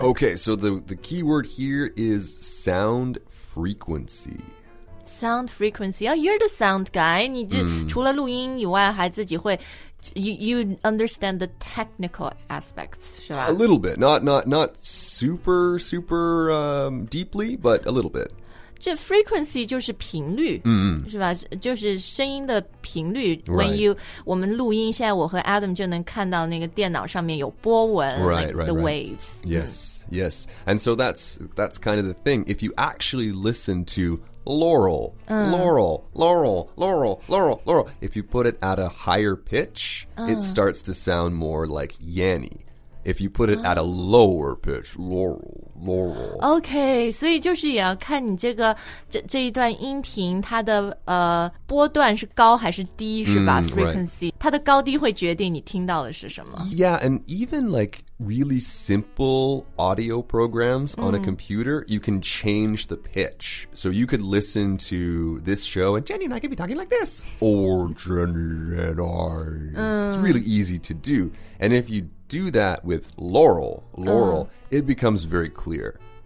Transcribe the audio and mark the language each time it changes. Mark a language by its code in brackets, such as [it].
[en] Okay, so the key word here is sound frequency. Sound frequency. Oh, you're the sound guy. [zh] 你就、 [en] mm. [zh] 除了录音以外，还自己会。 [en] You understand the technical aspects, [zh] 是吧 [en] A little bit. Not super, super deeply, but a little bit. [zh] 这 frequency 就是频率，嗯，是吧？就是声音的频率。 [en] Right. When you [zh] 我们录音，现在我和 Adam 就能看到那个电脑上面有波纹 [en] right,、 like、the waves. Right. Yes,、嗯、yes. And so that's kind of the thing. If you actually listen to Laurel,、Laurel, Laurel, Laurel, Laurel, Laurel, if you put it at a higher pitch,、it starts to sound more like Yanny. If you put it at a lower pitch, Laurel, Laurel. [zh] Okay, 所以就是也要看你这个 这一段音频它的、波段是高还是低是吧、frequency、 [en] right. [zh] 它的高低会决定你听到的是什么。 [en] Yeah, and even like really simple audio programs on、a computer, you can change the pitch. So you could listen to this show and Jenny and I could be talking like this. Or Jenny and I.、It's really easy to do. And if you do that with Laurel, Laurel,、it becomes very clear.